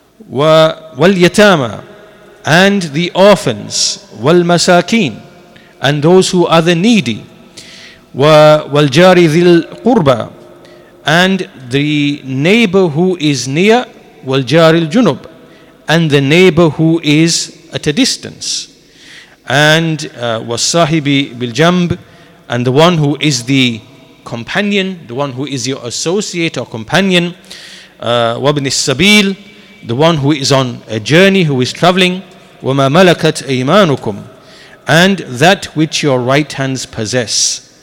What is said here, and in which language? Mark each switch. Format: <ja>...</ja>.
<ar>وَالْيَتَامَى.</ar> <en>And the orphans.</en> <ar>وَالْمَسَاكِينَ.</ar> <en>And those who are the needy.</en> <ar>وَالْجَارِ ذِي الْقُرْبَى.</ar> <en>And the neighbor who is near.</en> <ar>وَالْجَارِ الْجُنُبَى.</ar> <en>And the neighbor who is at a distance.</en> <ar>And وَالصَّاحِبِ بِالْجَنْبِ.</ar> <en>And the one who is the companion, the one who is your associate or companion.</en> <ar>وَابْنِ السَّبِيلِ.</ar> <en>The one who is on a journey, who is traveling.</en> <ar>وَمَا مَلَكَتْ أَيْمَانُكُمْ.</ar> <en>And that which your right hands possess.</en>